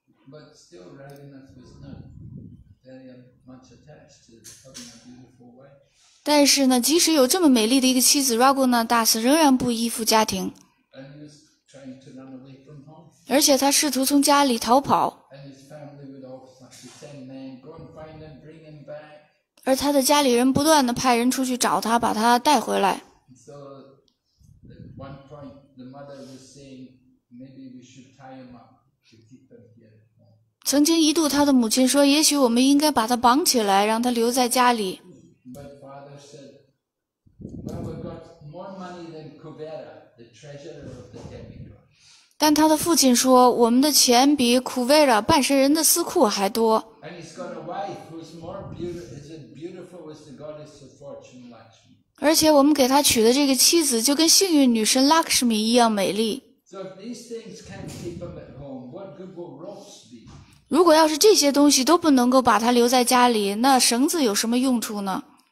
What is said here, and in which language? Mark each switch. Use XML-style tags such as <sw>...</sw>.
<en>But still, Raghunath was not very much attached to having a beautiful wife.</en> <zh>但是呢，即使有这么美丽的一个妻子 ，Raghunath Das 仍然不依附家庭。</zh> <en>And he was trying to run away from home.</en> <zh>而且他试图从家里逃跑。</zh> <en>And his family would always send men, go and find them, bring them back.</en> <zh>而他的家里人不断地派人出去找他，把他带回来。</zh> <en>So, at one point, the mother was saying, maybe we should tie him up to keep him here.</en> <zh>曾经一度，他的母亲说，也许我们应该把他绑起来，让他留在家里。</zh> <en>But father said, well, we've got more money than Kuvera, the treasurer of the demigods.</en> <zh>但他的父亲说，我们的钱比 Kuvera 半神人的私库还多。</zh> <en>And he's got a wife who's more beautiful. Beautiful was the goddess of fortune, Lakshmi.</en> <zh>而且我们给他娶的这个妻子就跟幸运女神 Lakshmi 一样美丽。</zh> <en>So if these things can't keep him at home, what good will ropes be?</en> <zh>如果要是这些东西都不能够把他留在家里，那绳子有什么用处呢？</zh>